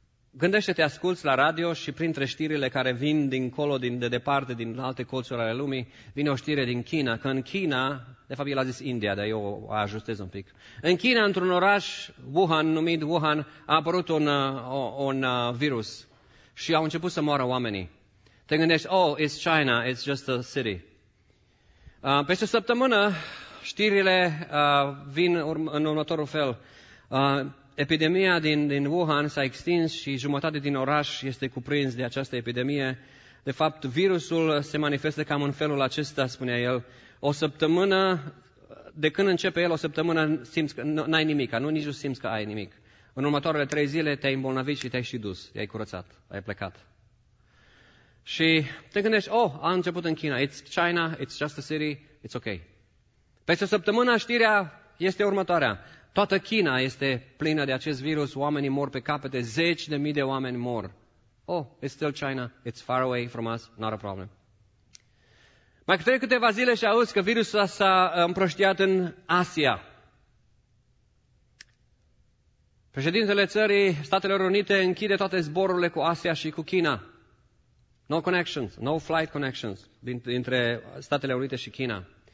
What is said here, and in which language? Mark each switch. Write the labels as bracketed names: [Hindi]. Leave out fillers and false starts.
[Romanian] Gândește-te, asculți la radio și printre știrile care vin dincolo, de departe, din alte colțuri ale lumii, vine o știre din China, că în China, de fapt el a zis India, dar eu o ajustez un pic. În China, într-un oraș, Wuhan, numit Wuhan, a apărut un virus și au început să moară oamenii. Te gândești, [English] oh, it's China, it's just a city. [Romanian] Peste o săptămână, știrile vin în următorul fel. Epidemia din Wuhan s-a extins și jumătate din oraș este cuprins de această epidemie. De fapt, virusul se manifestă cam în felul acesta, spunea el. O săptămână, de când începe el, o săptămână simți că n-ai nimic, nu nici nu simți că ai nimic. În următoarele 3 zile te-ai îmbolnăvit și te-ai și dus, i-ai curățat, ai plecat. Și te gândești, oh, a început în China, [English] it's China, it's just a city, it's okay. [Romanian] Peste o săptămână știrea este următoarea. Toată China este plină de acest virus, oamenii mor pe capete, 10.000 de oameni mor. [English] Oh, it's still China, it's far away from us, not a problem. [Romanian] Mai trec câteva zile și auzi că virusul s-a împrăștiat în Asia. Președintele țării, Statelor Unite, închide toate zborurile cu Asia și cu China. [English] No connections, no flight connections [Romanian] dintre Statele Unite și China.